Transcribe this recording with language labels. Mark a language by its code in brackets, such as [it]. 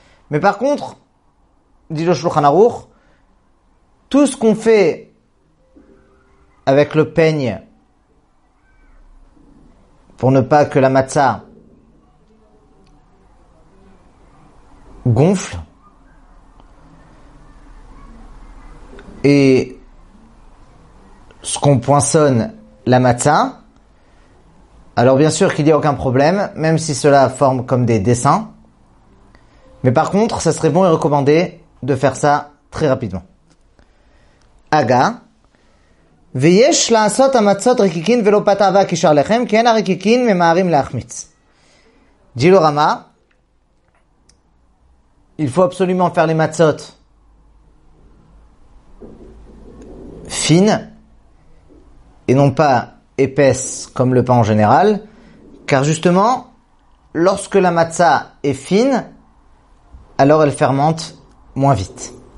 [fr] Mais par contre, dit le Shulchan Aruch, tout ce qu'on fait avec le peigne pour ne pas que la matzah gonfle et ce qu'on poinçonne la matzah, alors bien sûr qu'il n'y a aucun problème, même si cela forme comme des dessins. Mais par contre, ça serait bon et recommandé de faire ça très rapidement. [he] Aga, ויש לעשות המצות רקיקין ולא פת אהבה כשאר לכם, כי אין הרקיקין ממהרים להחמיץ. [fr] ג'ילו רמה, il faut absolument faire les matzot fines et non pas épaisses comme le pain en général, car justement, lorsque la matza est fine, alors elle fermente moins vite.